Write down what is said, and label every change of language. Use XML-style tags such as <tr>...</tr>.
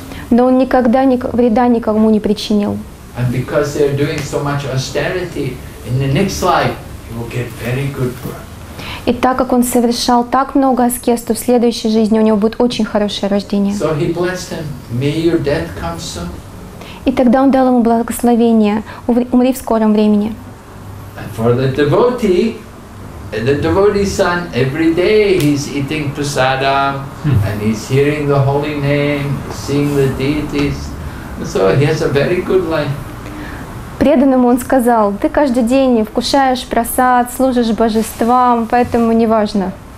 <ru>Но он никогда вреда никому не причинил. И так как он совершал так много аскез, то в следующей жизни у него будет очень хорошее рождение.</ru> <en>So he blessed him. May your death come soon.</en> <ru>И тогда он дал ему благословение, умри в скором времени.</ru> <en>And for the devotee's son, every day he's eating prasada, and he's hearing the holy name, seeing the deities. So he has a very good life.</en> <ru>Преданному он сказал, ты каждый день вкушаешь просад, служишь божествам, поэтому не важно.</ru>